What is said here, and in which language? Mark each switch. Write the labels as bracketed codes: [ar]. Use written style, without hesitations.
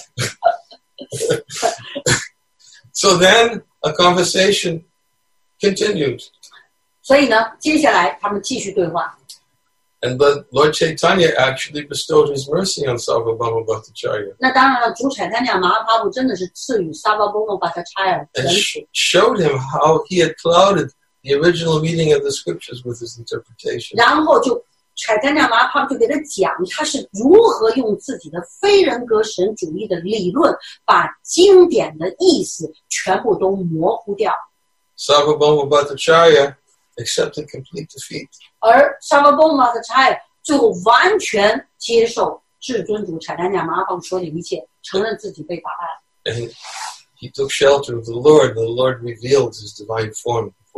[zh] 那有关那个部分，我什么都没有听到。So [en] then a conversation continued. [zh] 所以呢，接下来他们继续对话。And [en] the Lord Chaitanya actually bestowed his mercy on Sarvabhauma Bhattacharya. [zh] 那当然了，主产丹娘麻拉帕布真的是赐予萨瓦波摩巴塔查亚恩慈。And [en] showed him how he had clouded the original meaning of the scriptures with his interpretation. [zh] 然后就，柴丹娘麻帕就给他讲，他是如何用自己的非人格神主义的理论，把经典的意思全部都模糊掉。Sarvabhauma [en] Bhattacharya accepted complete defeat. [zh] 而Sarvabhauma Bhattacharya 最后完全接受至尊主柴丹娘麻帕说的一切，承认自己被打败了。And [en] he took shelter of the Lord, and the Lord revealed his divine form.